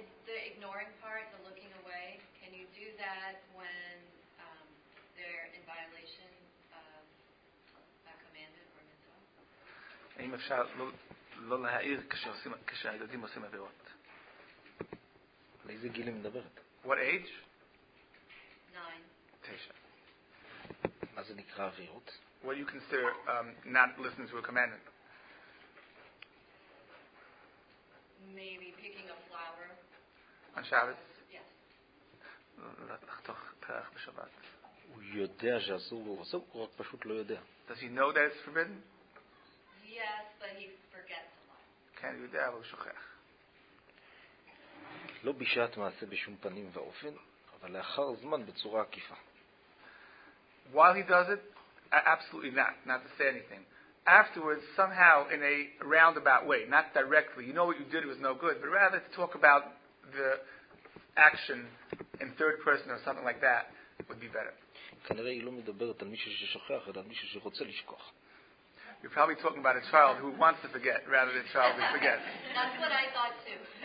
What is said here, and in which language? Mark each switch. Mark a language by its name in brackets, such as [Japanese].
[English] The ignoring part, the looking away, can you do that when they're in violation of a commandment or mitzvah? [Hebrew] אם אפשר לא להעיר כשהילדים עושים עבירות. על איזה גיל היא מדברת? [English] What age? 9. [Hebrew] מה זה נקרא עבירות? [English] What you consider not listening to a commandment? Maybe picking a flower. On Shabbat? Yes. [Hebrew] לחתוך פרח בשבת. הוא יודע שאסור לו לעשות, הוא רק פשוט לא יודע. [English] Does he know that it's forbidden? Yes, but he forgets a lot. [Hebrew] כן, הוא יודע, אבל הוא שוכח. לא בשעת מעשה בשום פנים ואופן, אבל לאחר זמן בצורה עקיפה. [English] While he does it, absolutely not to say anything. Afterwards, somehow, in a roundabout way, not directly, you know what you did was no good, but rather to talk about the action in third person or something like that would be better. [Hebrew] כנראה היא לא מדברת על מישהו ששוכח, אלא על מישהו שרוצה לשכוח. [English] You're probably talking about a child who wants to forget rather than a child who forgets. That's what I thought too.